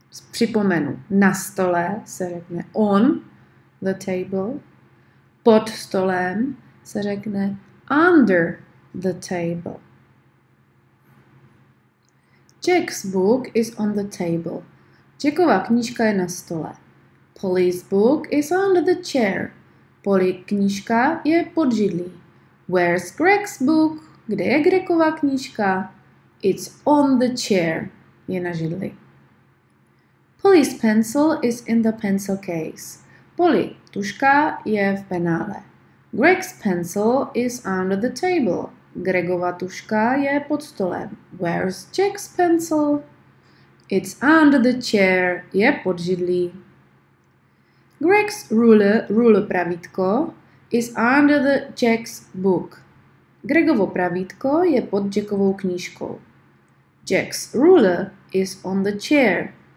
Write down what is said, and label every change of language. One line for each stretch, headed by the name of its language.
Czech: Připomenu, na stole se řekne
English: on the table,
Czech: pod stolem se řekne
English: under the table. Jack's book is on the table.
Czech: Jackova knížka je na stole.
English: Polly's book is under the chair.
Czech: Polly knížka je pod židlí.
English: Where's Greg's book?
Czech: Kde je Gregova knížka?
English: It's on the chair.
Czech: Je na židli.
English: Polly's pencil is in the pencil case.
Czech: Polly tuška je v penále.
English: Greg's pencil is under the table.
Czech: Gregova tuška je pod stolem.
English: Where's Jack's pencil? It's under the chair.
Czech: Je pod židlí.
English: Greg's ruler pravítko is under the Jack's book.
Czech: Gregovo pravítko je pod Jackovou knížkou.
English: Jack's ruler is on the chair.